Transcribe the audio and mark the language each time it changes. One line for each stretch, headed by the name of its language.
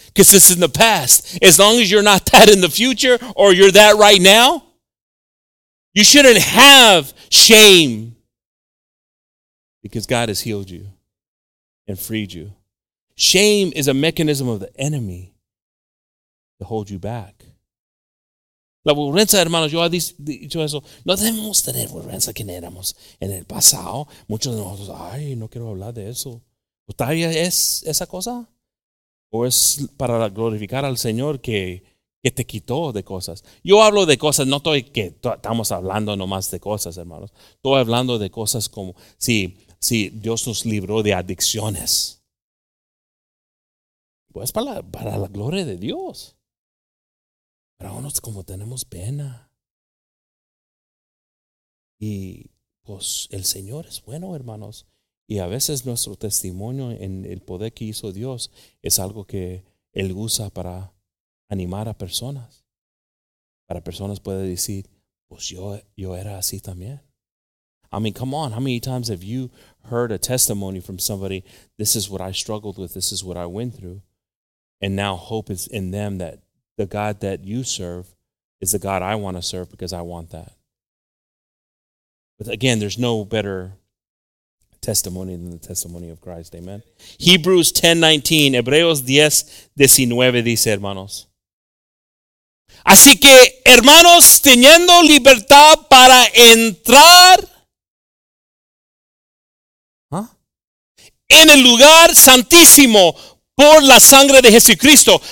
English: Because it's in the past. As long as you're not that in the future or you're that right now, you shouldn't have shame because God has healed you and freed you. Shame is a mechanism of the enemy to hold you back.
Spanish: La vergüenza, hermanos, yo he dicho eso. No debemos tener vergüenza que éramos en el pasado. Muchos de nosotros, ay, no quiero hablar de eso. ¿Todavía es esa cosa? ¿O es para glorificar al Señor que te quitó de cosas? Yo hablo de cosas, no estoy que estamos hablando nomás de cosas, hermanos. Estoy hablando de cosas como si Dios nos libró de adicciones. Pues para la gloria de Dios. Pero aún es como tenemos pena. Y pues el Señor es bueno, hermanos. Y a veces nuestro testimonio en el poder que hizo Dios es algo que Él usa para animar a personas. Para personas puede decir, pues yo era así también.
English: I mean, come on, how many times have you heard a testimony from somebody, this is what I struggled with, this is what I went through, and now hope is in them that the God that you serve is the God I want to serve because I want that. But again, there's no better testimony than the testimony of Christ, amen.
Spanish: Hebrews 10:19, Hebreos 10:19 dice, hermanos, así que, hermanos, teniendo libertad para entrar en el lugar santísimo por la sangre de Jesucristo.